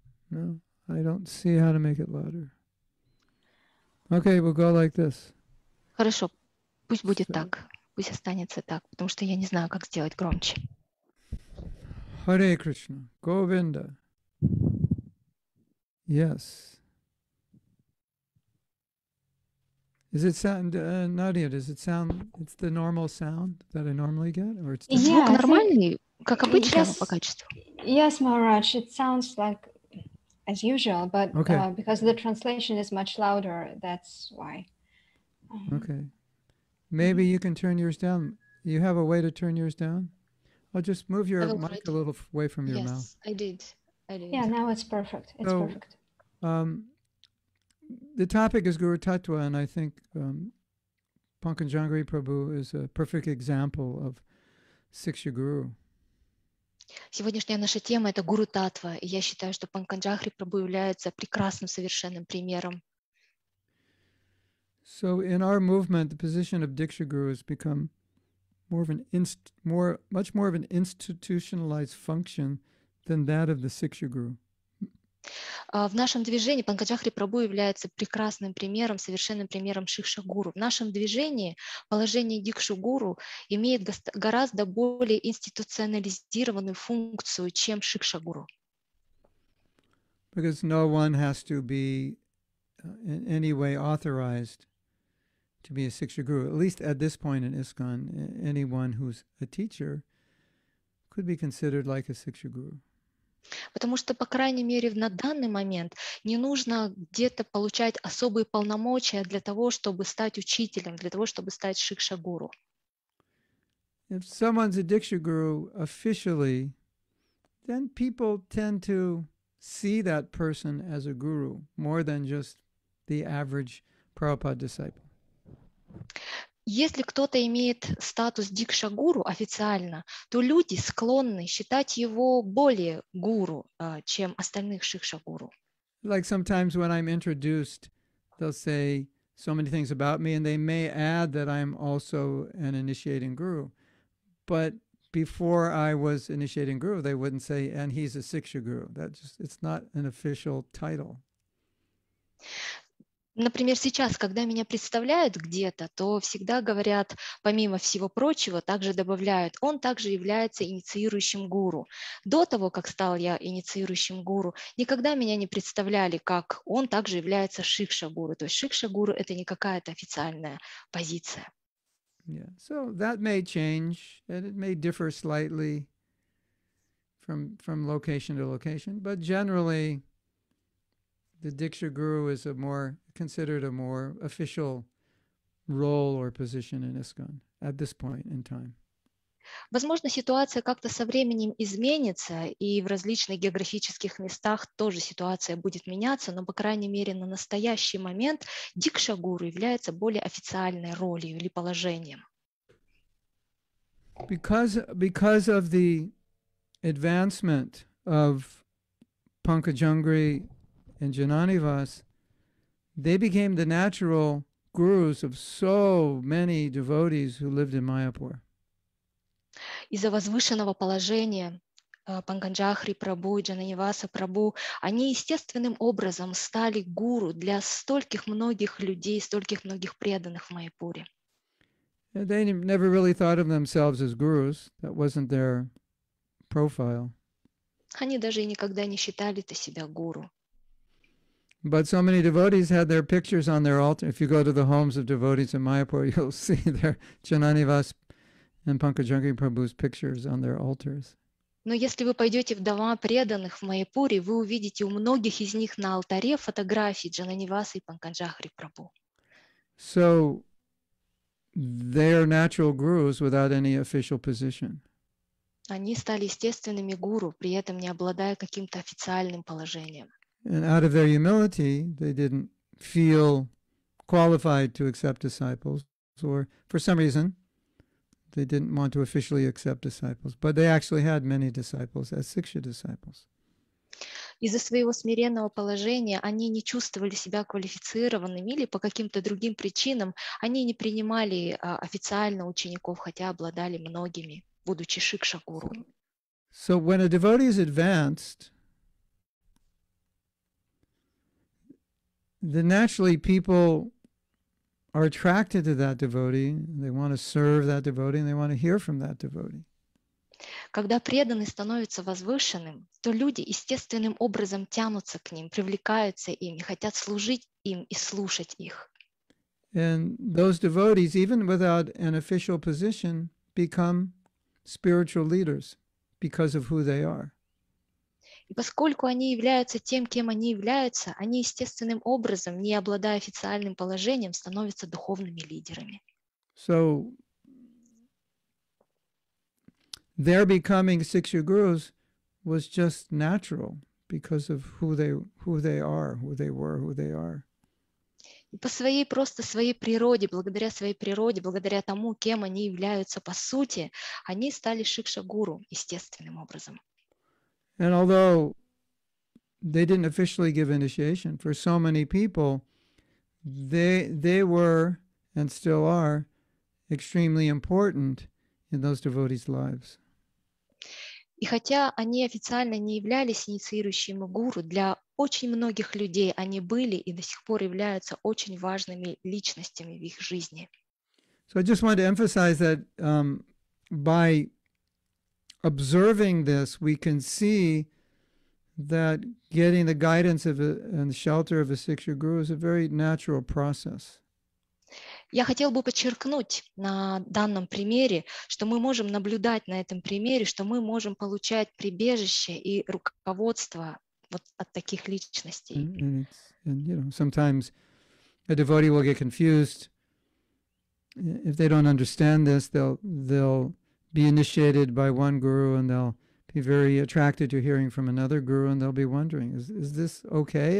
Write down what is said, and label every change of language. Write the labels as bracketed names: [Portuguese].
[English] No, I don't see how to make it louder. Okay, we'll go like this. [Russian] Хорошо, пусть будет так. Пусть останется так, потому что я не знаю, как сделать громче. [English] Hare Krishna, Govinda. Yes. Is it sound, Nadia, does it sound, it's the normal sound that I normally get? Or it's [Russian] yeah, звук нормальный, как обычно, yes. По качеству. [English] Yes, Maharaj, it sounds like as usual, but okay. Because the translation is much louder, that's why. Okay. Maybe you can turn yours down. You have a way to turn yours down? I'll just move your mic a little away from your yes, mouth. Yes, I did. Yeah, now it's perfect. It's so, perfect. The topic is Guru Tattva, and I think Pankajangri Prabhu is a perfect example of Siksha Guru. [Russian] Сегодняшняя наша тема – это Гуру Татва, и я считаю, что Панкаджахри Прабху является прекрасным, совершенным примером. [English] So in our movement, the position of Diksha Guru has become more of an much more of an institutionalized function than that of the Siksha Guru. [Russian] В нашем движении Панкаджахри Прабху является прекрасным примером, совершенным примером Шикша Гуру. В нашем движении положение Дикшу Гуру имеет гораздо более институционализированную функцию, чем Шикша Гуру. [English] Because no one has to be in any way authorized to be a Siksha Guru. At least at this point in ISKCON, anyone who's a teacher could be considered like a Siksha Guru. [Russian] Потому что, по крайней мере, на данный момент не нужно где-то получать особые полномочия для того, чтобы стать учителем, для того, чтобы стать шикша-гуру. [English] If someone's a diksha-guru officially, then people tend to see that person as a guru more than just the average Prabhupada disciple. [Russian] Если кто-то имеет статус дикша-гуру официально, то люди склонны считать его более гуру, чем остальных шикша-гуру. [English] Like sometimes when I'm introduced, they'll say so many things about me, and they may add that I'm also an initiating guru. But before I was initiating guru, they wouldn't say, and he's a siksha-guru. That just, it's not an official title. [Russian] Например, сейчас, когда меня представляют где-то, то всегда говорят, помимо всего прочего, также добавляют, он также является инициирующим гуру. До того, как стал я инициирующим гуру, никогда меня не представляли, как он также является шикша-гуру. То есть шикша-гуру – это не какая-то официальная позиция. [English] Yeah. So that may change, and it may differ slightly from location to location, but generally the Diksha Guru is a more considered a more official role or position in ISKCON at this point in time. [Russian] Возможно, ситуация как-то со временем изменится, и в различных географических местах тоже ситуация будет меняться, но, по крайней мере, на настоящий момент Дикша Гуру является более официальной ролью или положением. [English] Because of the advancement of Pankajangri and Jnanivas, they became the natural gurus of so many devotees who lived in Mayapur. [Russian] Из-за возвышенного положения Панканджахри Прабу и Джананиваса Прабу, они естественным образом стали гуру для стольких многих людей, стольких многих преданных в Майпуре. [English] They never really thought of themselves as gurus. That wasn't their profile. [Russian] Они даже и никогда не считали себя гуру. [English] But so many devotees had their pictures on their altar. If you go to the homes of devotees in Mayapur, you'll see their Jnanivas and Pankajangri Prabhu's pictures on their altars. [Russian] Но если вы пойдете в дома преданных в Майпуре, вы увидите у многих из них на алтаре фотографии Джананиваса и Панканджахри Прабу. [English] So they are natural gurus without any official position. [Russian] Они стали естественными гуру, при этом не обладая каким-то официальным положением. [English] And out of their humility, they didn't feel qualified to accept disciples, or for some reason, they didn't want to officially accept disciples, but they actually had many disciples as siksha disciples. [Russian] Из-за своего смиренного положения они не чувствовали себя квалифицированными или по каким-то другим причинам они не принимали официально учеников, хотя обладали многими, будучи шикша гуру. [English] So when a devotee is advanced, then naturally people are attracted to that devotee, they want to serve that devotee, and they want to hear from that devotee. [Russian] Когда преданный становится возвышенным, то люди естественным образом тянутся к ним, привлекаются ими, хотят служить им и слушать их. [English] And those devotees, even without an official position, become spiritual leaders because of who they are. [Russian] И поскольку они являются тем, кем они являются, они естественным образом, не обладая официальным положением, становятся духовными лидерами. [English] So their becoming siksha gurus was just natural because of who they were. [Russian] И по своей просто своей природе, благодаря своей природе, благодаря тому, кем они являются по сути, они стали шикша гуру естественным образом. [English] And although they didn't officially give initiation, for so many people, they were and still are extremely important in those devotees' lives. [Russian] И хотя они официально не являлись инициирующими гуру, для очень многих людей они были и до сих пор являются очень важными личностями в их жизни. [English] So I just wanted to emphasize that by observing this, we can see that getting the guidance of and the shelter of a siksha guru is a very natural process. [Russian] Я хотел бы подчеркнуть на данном примере, что мы можем наблюдать на этом примере, что мы можем получать прибежище и руководство вот от таких личностей. [English] And you know, sometimes a devotee will get confused. If they don't understand this, they'll be initiated by one guru and they'll be very attracted to hearing from another guru and they'll be wondering, is this okay?